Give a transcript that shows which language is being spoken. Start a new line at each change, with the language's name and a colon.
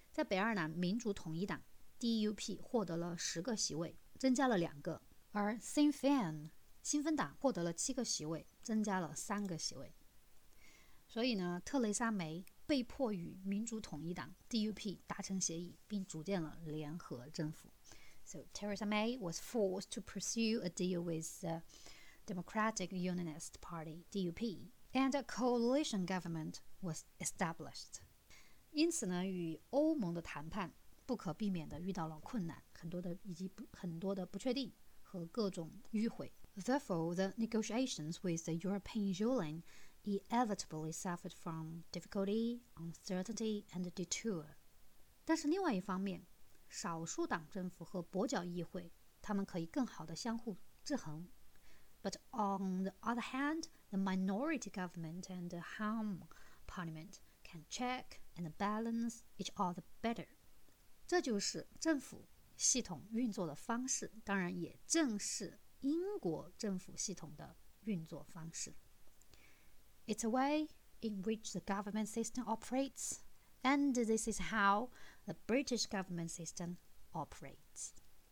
Chinese: 在北爱尔兰民主统一党 DUP 获得了10个席位，增加了2个。而 Sinn Féin, 新芬党获得了7个席位，增加了3个席位。所以呢，特蕾莎梅被迫与民主统一党 DUP 达成协议，并组建了联合政府。
English: So, Theresa May was forced to pursue a deal with the Democratic Unionist Party, DUP. And a coalition government was established.
Chinese: 因此呢，与欧盟的谈判不可避免地遇到了困难，很多的不确定和各种迂回。
English: Therefore, the negotiations with the European Union inevitably suffered from difficulty, uncertainty, and detour.
Chinese: 但是另外一方面，少数党政府和跛脚议会，他们可以更好地相互制衡。
English: But on the other hand, the minority government and the hung parliament can check and balance each other better.
Chinese: 这就是政府系统运作的方式，当然也正是英国政府系统的运作方式。
English: It's a way in which the government system operates, and this is how the British government system operates.